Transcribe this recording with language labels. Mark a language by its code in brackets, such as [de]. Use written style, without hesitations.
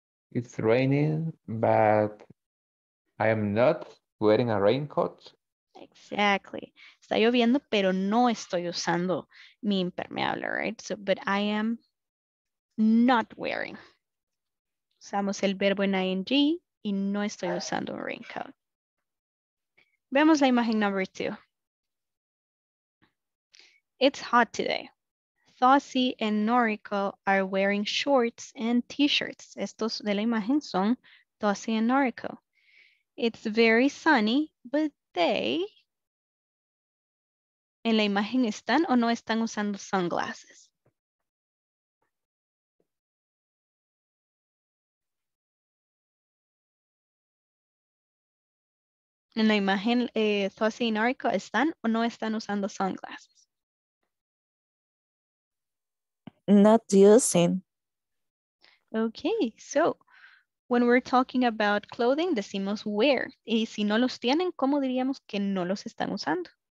[en] It's raining, but I am not wearing a raincoat. Exactly. [es] Está lloviendo, pero no estoy usando mi impermeable, right? [en] So, but I am not wearing. [es] Usamos el verbo en ing y no estoy usando un raincoat. Veamos la imagen [en] number two. It's hot today. Thossy and Noriko are wearing shorts and t-shirts. [es] Estos de la imagen son Thossy and Noriko. [en] It's very sunny, but they... [es] ¿En la imagen están o no están usando sunglasses? ¿En la imagen Thossy y Noriko están o no están usando sunglasses? [en] Not using. Okay, so when we're talking about clothing, decimos wear. [es] Y si no los tienen, ¿cómo diríamos que no los están usando?